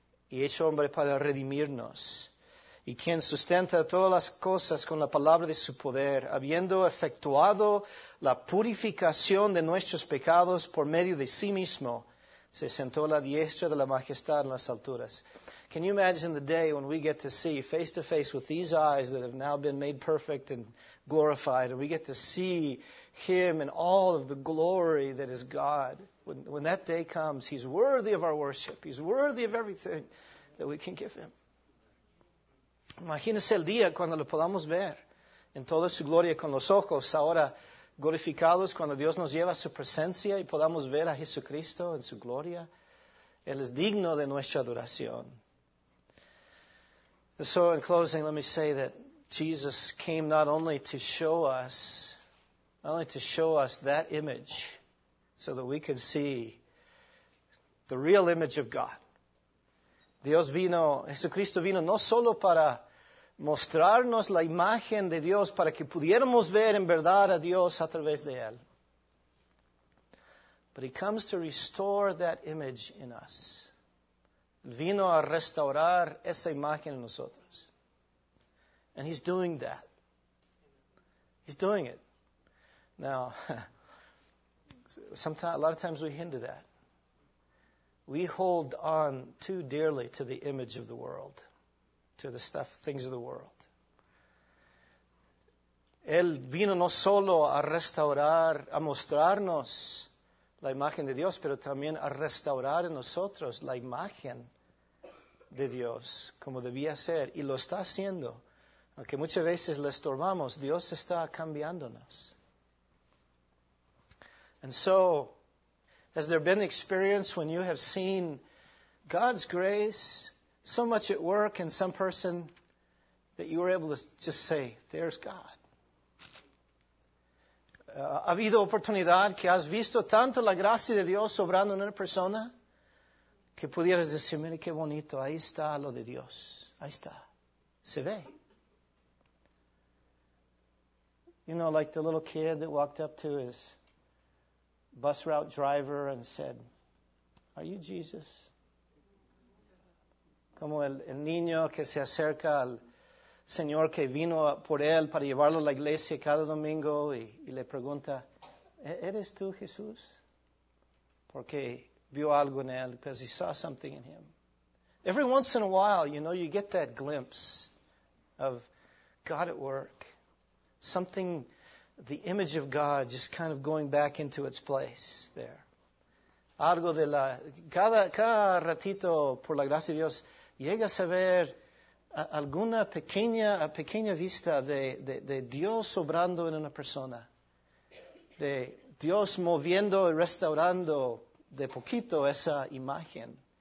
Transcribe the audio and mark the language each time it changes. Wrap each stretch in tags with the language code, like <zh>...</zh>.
<es>y hecho hombre para redimirnos, y quien sustenta todas las cosas con la palabra de su poder, habiendo efectuado la purificación de nuestros pecados por medio de sí mismo, se sentó a la diestra de la majestad en las alturas.</es> <en>Can you imagine the day when we get to see face to face with these eyes that have now been made perfect and glorified, and we get to see him in all of the glory that is God? When that day comes, he's worthy of our worship. He's worthy of everything that we can give him.</en> <es>Imagínese el día cuando lo podamos ver en toda su gloria con los ojos ahora glorificados, cuando Dios nos lleva a su presencia y podamos ver a Jesucristo en su gloria. Él es digno de nuestra adoración.</es> <en>And so in closing, let me say that Jesus came not only to show us that image so that we could see the real image of God.</en> <es>Jesucristo vino no solo para mostrarnos la imagen de Dios, para que pudiéramos ver en verdad a Dios a través de Él.</es> <en>But he comes to restore that image in us.</en> <es>Vino a restaurar esa imagen en nosotros.</es> <en>And he's doing that. He's doing it. Now, sometimes, a lot of times we hinder that. We hold on too dearly to the image of the world, to the stuff, things of the world.</en> <es>Él vino no solo a restaurar, a mostrarnos la imagen de Dios, pero también a restaurar en nosotros la imagen de Dios, como debía ser, y lo está haciendo. Aunque muchas veces le estorbamos, Dios está cambiándonos.</es> <en>And so, has there been experience when you have seen God's grace so much at work in some person that you were able to just say, there's God?</en> <es>¿Ha habido oportunidad que has visto tanto la gracia de Dios obrando en una persona que pudieras decir, mire qué bonito, ahí está lo de Dios, ahí está, se ve?</es> <en>You know, like the little kid that walked up to his bus route driver and said, are you Jesus?</en> <es>Como el niño que se acerca al Señor que vino por él para llevarlo a la iglesia cada domingo y le pregunta, ¿eres tú Jesús? Porque vio algo en él,</es> <en>because he saw something in him. Every once in a while, you know, you get that glimpse of God at work. Something, the image of God just kind of going back into its place there.</en> <es>Algo de la, cada ratito, por la gracia de Dios, llegas a ver alguna pequeña vista de Dios obrando en una persona. De Dios moviendo y restaurando de poquito esa imagen.</es>